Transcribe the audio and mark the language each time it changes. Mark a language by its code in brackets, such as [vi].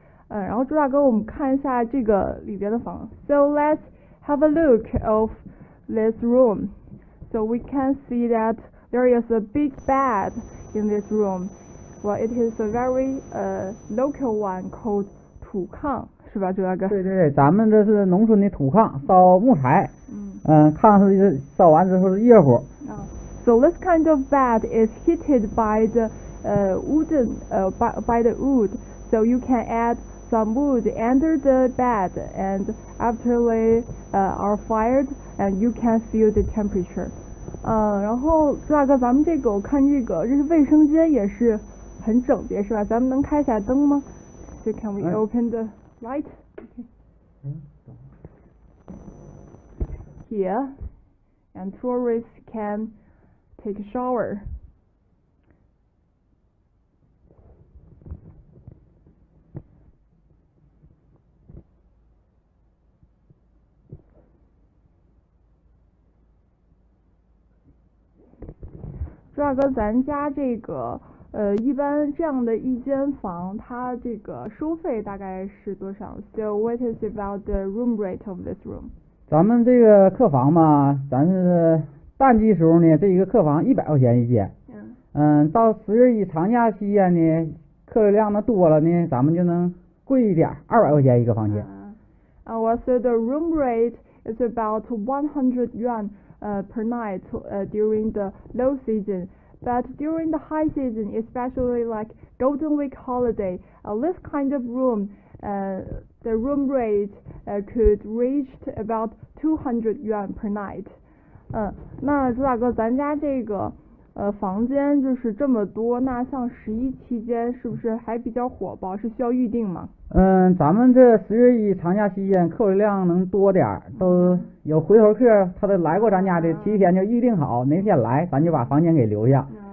[zh] 然后朱大哥，我们看一下这个里边的房。 [en] So let's have a look of this room. So we can see that there is a big bed in this room. Well, it is a very local one called 土炕， [zh] 是吧， [en] 朱大哥？ [zh] 对对对，咱们这是农村的土炕，烧木柴。炕是烧完之后是热乎。 [en] So this kind of bed is heated by the wooden by the wood. So you can add some wood under the bed, and after they are fired, and you can feel the temperature. [zh] 然后朱大哥，咱们这个我看这个，这是卫生间，也是很整洁，是吧？咱们能开一下灯吗 [en] ？So can we open the light? Here, and tourists can. Take a shower. [zh] Zhuo 哥，咱家这个一般这样的一间房，它这个收费大概是多少 ？ [en] So what is about the room rate of this room? [zh] 咱们这个客房嘛，咱是。淡季时候呢，这一个客房100块钱一间。到十月一长假期间呢，客流量能多了呢，咱们就能贵一点，200块钱一个房间。 [en] So the room rate is about 100 yuan per night during the low season. But during the high season, especially like Golden Week holiday, this kind of room, the room rate could reach about 200 yuan per night. [zh] 那朱大哥，咱家这个房间就是这么多，那像十一期间是不是还比较火爆？是需要预定吗？咱们这十月一长假期间客流量能多点，都有回头客，他都来过咱家的，提前就预定好哪天来，咱就把房间给留下。